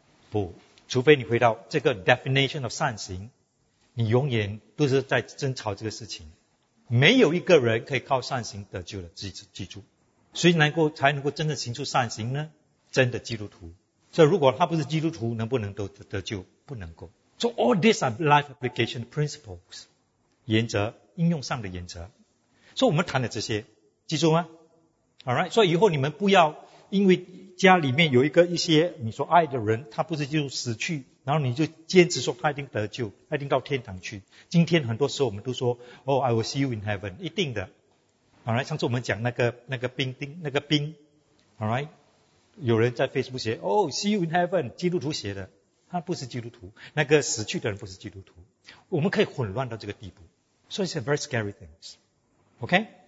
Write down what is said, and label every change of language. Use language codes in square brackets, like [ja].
[zh] 不，除非你回到这个 [en] definition of [zh] 善行，你永远都是在争吵这个事情。没有一个人可以靠善行得救的，记住。谁才能够真正行出善行呢？真的基督徒。所以如果他不是基督徒，能不能得救？不能够。 [en] So all these are life application principles， [zh] 原则，应用上的原则。所以我们谈的这些，记住吗 ？All right， 所以以后你们不要。因为家里面有一些你说爱的人，他不是就死去，然后你就坚持说他一定得救，他一定到天堂去。今天很多时候我们都说 ， [en] Oh, I will see you in heaven， [zh] 一定的。好来，上次我们讲那个兵 ，All right， 有人在 Facebook 写 ， [en] Oh, see you in heaven， [zh] 基督徒写的，他不是基督徒，那个死去的人不是基督徒，我们可以混乱到这个地步，所以是 [en] very scary things， [zh] OK?